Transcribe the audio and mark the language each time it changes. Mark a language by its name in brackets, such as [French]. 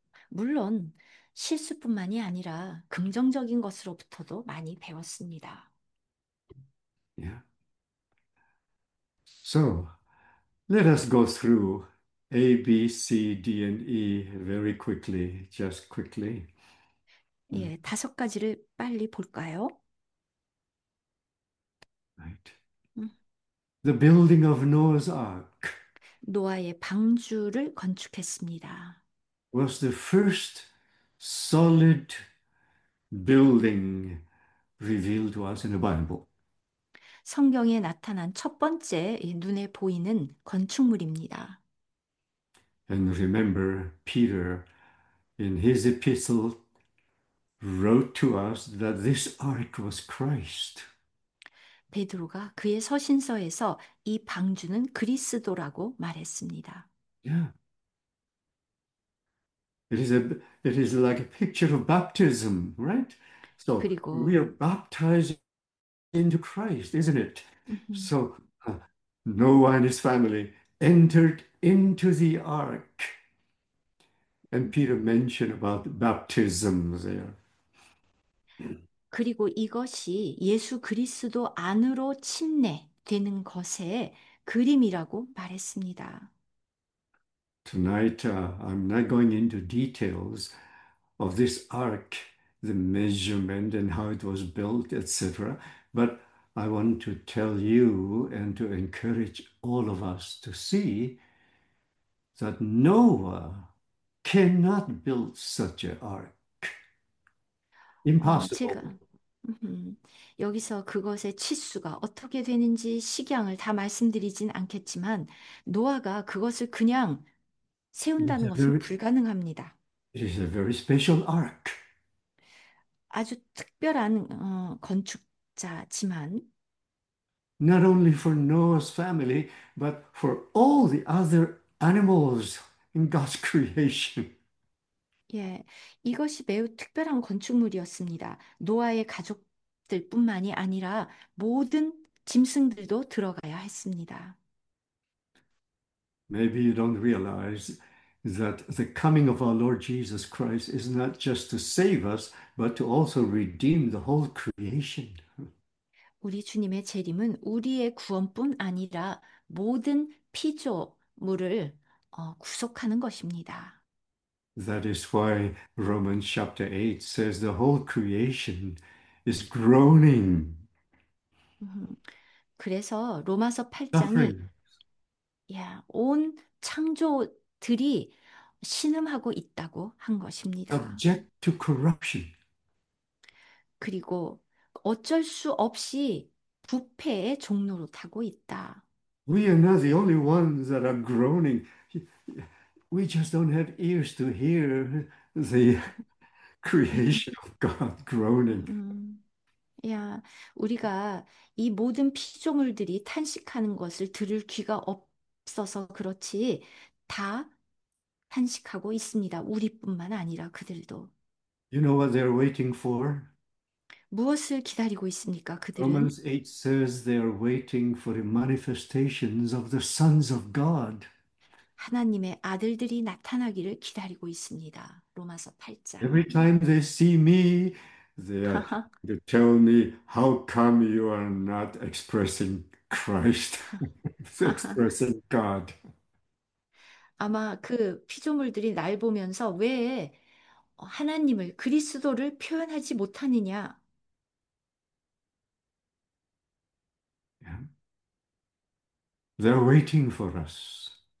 [Korean] 물론 실수뿐만이 아니라 긍정적인 것으로부터도 많이 배웠습니다. [English] So, let us go through A, B, C, D, and E very quickly, just quickly. [Korean] 예, 다섯 가지를 빨리 볼까요? [English] The building of Noah's Ark [Korean] 노아의 방주를 건축했습니다. [English] was the first solid building revealed to us in the Bible. [Korean] 성경에 나타난 첫 번째 눈에 보이는 건축물입니다. [English] And remember, Peter, in his epistle, wrote to us that this ark was Christ. [Korean] 베드로가 그의 서신서에서 이 방주는 그리스도라고 말했습니다. [English] It is like a picture of baptism, right? So we are baptized into Christ, isn't it? So Noah and his family entered into the ark. And Peter mentioned about baptism there. [Korean] 그리고 이것이 예수 그리스도 안으로 침례 되는 것의 그림이라고 말했습니다. [English] Tonight, I'm not going into details of this ark, the measurement and how it was built, etc. But I want to tell you and to encourage all of us to see that Noah cannot build such an ark. Impossible. [Korean] 제가 여기서 그것의 치수가 어떻게 되는지 식양을 다 말씀드리진 않겠지만, 노아가 그것을 그냥 세운다는 것은 불가능합니다. [English] It is a very special ark. [Korean] 아주 특별한 건축자지만, [English] Not only for Noah's family, but for all the other animals in God's creation. [Korean] 예, 이것이 매우 특별한 건축물이었습니다. 노아의 가족들뿐만이 아니라 모든 짐승들도 들어가야 했습니다. [English] Maybe you don't realize that the coming of our Lord Jesus Christ is not just to save us, but to also redeem the whole creation. [Korean] 우리 주님의 재림은 우리의 구원뿐 아니라 모든 피조물을 구속하는 것입니다. [English] That is why Romans chapter 8 says the whole creation is groaning, [Korean] 그래서 로마서 8장이 [English] suffering. [Korean] 온 창조들이 신음하고 있다고 한 것입니다. [English] Subject to corruption. [Korean] 그리고 어쩔 수 없이 부패의 종노릇 하고 있다. [English] We are not the only ones that are groaning. We just don't have ears to hear the creation of God groaning. [Korean] 우리가 이 모든 피조물들이 탄식하는 것을 들을 귀가 없어서 그렇지, 다 탄식하고 있습니다. 우리뿐만 아니라 그들도. [English] You know what they're waiting for? [Korean] 무엇을 기다리고 있습니까, 그들은? [English] Romans 8 says they're waiting for the manifestations of the sons of God. [Korean] 하나님의 아들들이 나타나기를 기다리고 있습니다. 로마서 8장. [English] Every time they see me, they tell me, how come you are not expressing Christ, expressing God? [Korean] 아마 그 피조물들이 날 보면서 왜 하나님을, 그리스도를 표현하지 못하느냐? [English] They're waiting for us.